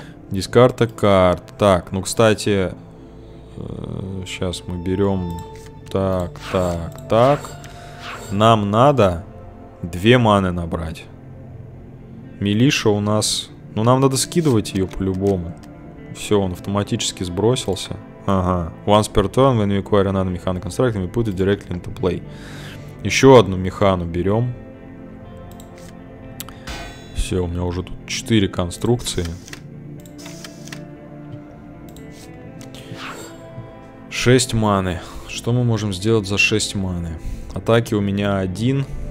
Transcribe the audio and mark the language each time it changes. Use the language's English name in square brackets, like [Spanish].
[Russian] Дискарта карт. Так, ну, кстати, сейчас мы берем... Так, так, так. Нам надо 2 маны набрать. Милиша у нас... Ну, нам надо скидывать ее по-любому. Все, он автоматически сбросился. Ага. [English] Once per turn, when you acquire another механ construct, we put it directly into play. [Russian] Еще одну механу берем. Все, у меня уже тут 4 конструкции. 6 маны. Что мы можем сделать за 6 маны? Атаки у меня 1.